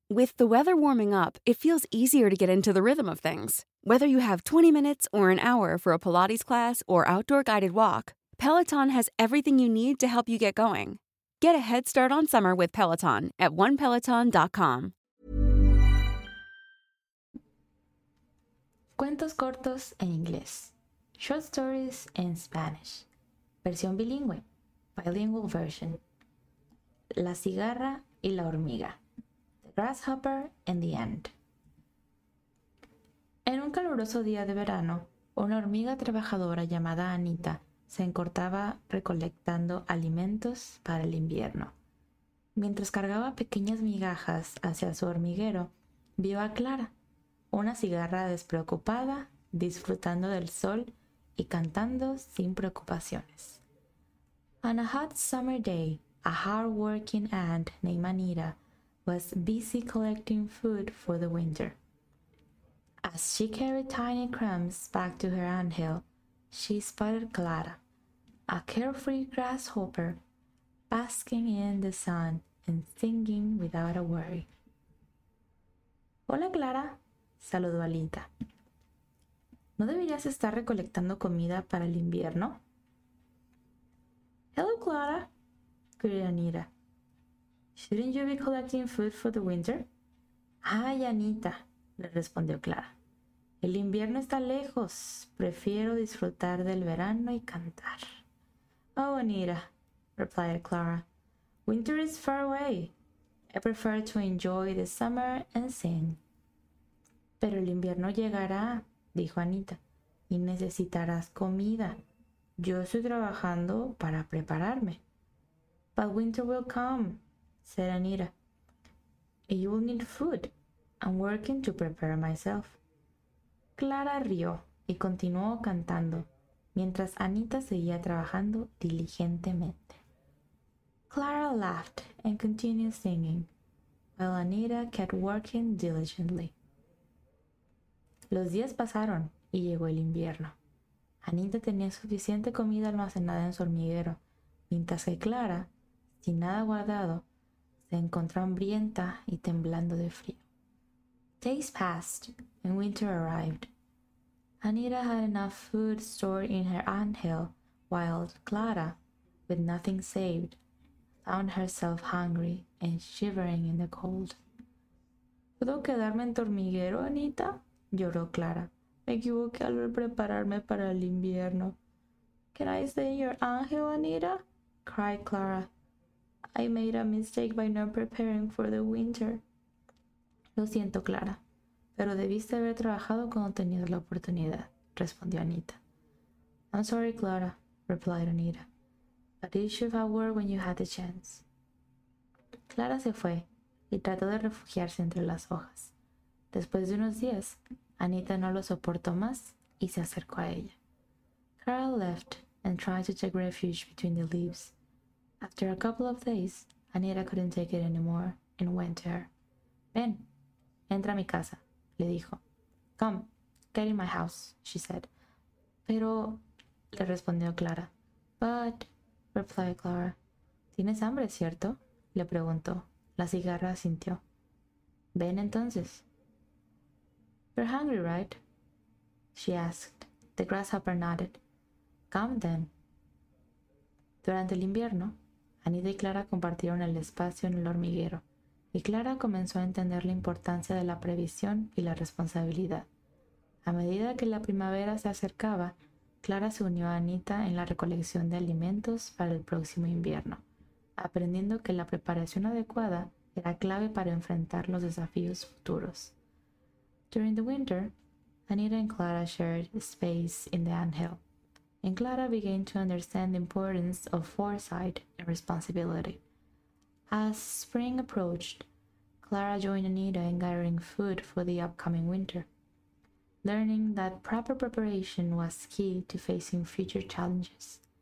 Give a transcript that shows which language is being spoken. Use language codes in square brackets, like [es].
[en] With the weather warming up, it feels easier to get into the rhythm of things. Whether you have 20 minutes or an hour for a Pilates class or outdoor guided walk, Peloton has everything you need to help you get going. Get a head start on summer with Peloton at onepeloton.com. [es] Cuentos cortos en inglés. [en] Short stories in Spanish. [es] Versión bilingüe. [en] Bilingual version. [es] La cigarra y la hormiga. [en] The grasshopper and the ant. [es] En un caluroso día de verano, una hormiga trabajadora llamada Anita se encortaba recolectando alimentos para el invierno. Mientras cargaba pequeñas migajas hacia su hormiguero, vio a Clara, una cigarra despreocupada, disfrutando del sol y cantando sin preocupaciones. [en] On a hot summer day, a hard-working ant named Anita was busy collecting food for the winter. As she carried tiny crumbs back to her anthill, she spotted Clara, a carefree grasshopper, basking in the sun and singing without a worry. [es] Hola, Clara, saludó Anita. ¿No deberías estar recolectando comida para el invierno? [en] Hello, Clara, queried Anita. Shouldn't you be collecting food for the winter? [es] Ay, Anita, le respondió Clara. El invierno está lejos. Prefiero disfrutar del verano y cantar. [en] Oh, Anita, replied Clara. Winter is far away. I prefer to enjoy the summer and sing. [es] Pero el invierno llegará, dijo Anita, y necesitarás comida. Yo estoy trabajando para prepararme. [en] But winter will come, said Anita. You will need food. I'm working to prepare myself. [es] Clara rió y continuó cantando, mientras Anita seguía trabajando diligentemente. [en] Clara laughed and continued singing, while Anita kept working diligently. [es] Los días pasaron y llegó el invierno. Anita tenía suficiente comida almacenada en su hormiguero, mientras que Clara, sin nada guardado, se encontró hambrienta y temblando de frío. [en] Days passed and winter arrived. Anita had enough food stored in her anthill, while Clara, with nothing saved, found herself hungry and shivering in the cold. [es] ¿Puedo quedarme en tu hormiguero, Anita? Lloró Clara. Me equivoqué al prepararme para el invierno. [en] Can I stay in your anthill, Anita? Cried Clara. I made a mistake by not preparing for the winter. [es] Lo siento, Clara, pero debiste haber trabajado cuando tenías la oportunidad, respondió Anita. [en] I'm sorry, Clara, replied Anita, but you should have worked when you had the chance. [es] Clara se fue y trató de refugiarse entre las hojas. Después de unos días, Anita no lo soportó más y se acercó a ella. [en] Clara left and tried to take refuge between the leaves. After a couple of days, Anita couldn't take it anymore and went to her. [es] Ven, entra a mi casa, le dijo. [en] Come, get in my house, she said. [es] Pero, le respondió Clara. [en] But, replied Clara. [es] ¿Tienes hambre, cierto? Le preguntó. La cigarra asintió. Ven entonces. [en] You're hungry, right? She asked. The grasshopper nodded. Come then. [es] Durante el invierno, Anita y Clara compartieron el espacio en el hormiguero, y Clara comenzó a entender la importancia de la previsión y la responsabilidad. A medida que la primavera se acercaba, Clara se unió a Anita en la recolección de alimentos para el próximo invierno, aprendiendo que la preparación adecuada era clave para enfrentar los desafíos futuros. [en] During the winter, Anita and Clara shared space in the anthill. And Clara began to understand the importance of foresight and responsibility. As spring approached, Clara joined Anita in gathering food for the upcoming winter, learning that proper preparation was key to facing future challenges.